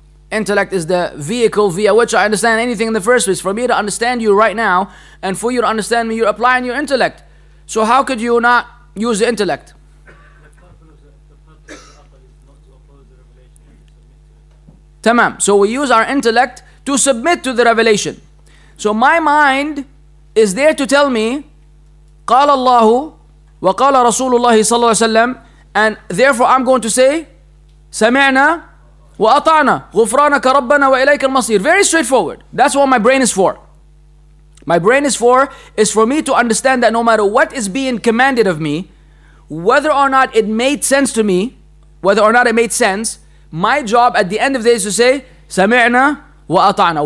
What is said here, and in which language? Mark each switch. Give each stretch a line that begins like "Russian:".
English: Intellect is the vehicle via which I understand anything in the first place. For me to understand you right now, and for you to understand me, you're applying your intellect. So how could you not use the intellect? Tamam. So we use our intellect to submit to the revelation. So my mind is there to tell me,
Arabic: قال الله وقال رسول الله صلى الله عليه وسلم,
English: and therefore I'm going to say,
Arabic: سمعنا وأطعنا غفرانك ربنا وإليك المصير.
English: Very straightforward. That's what my brain is for. My brain is for me to understand that no matter what is being commanded of me, whether or not it made sense to me, whether or not it made sense, my job at the end of the day is to say,
Arabic: سَمِعْنَا وَأَطَعْنَا.